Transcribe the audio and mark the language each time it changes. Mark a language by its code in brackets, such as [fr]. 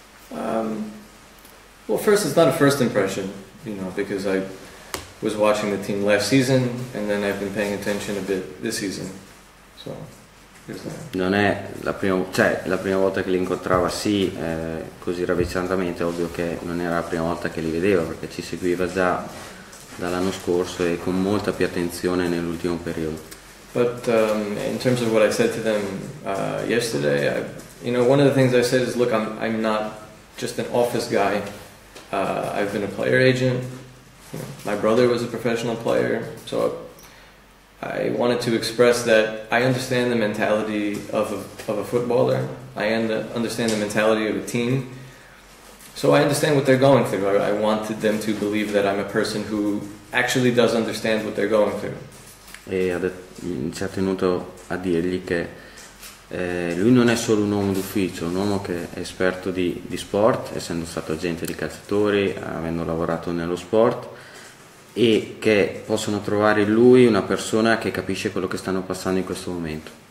[en] Well, first, it's not a first impression, because I was watching the team last season and then I've been paying attention a bit this season. So, [it] non è la prima volta che li incontrava, sì, così ravvicinatamente, ovvio che non era la prima volta che li vedeva, perché ci seguiva già dall'anno scorso e con molta più attenzione nell'ultimo periodo. [en] But in terms of what I said to them yesterday, one of the things I said is, look, I'm not just an office guy. I've been a player agent. My brother was a professional player, so I wanted to express that I understand the mentality of a footballer. I understand the mentality of a team. So I understand what they're going through. I wanted them to believe that I'm a person who actually does understand what they're going through. [it] E ci ha tenuto a dirgli che lui non è solo un uomo d'ufficio, un uomo che è esperto di sport, essendo stato agente di calciatori, avendo lavorato nello sport, e che possono trovare in lui una persona che capisce quello che stanno passando in questo momento.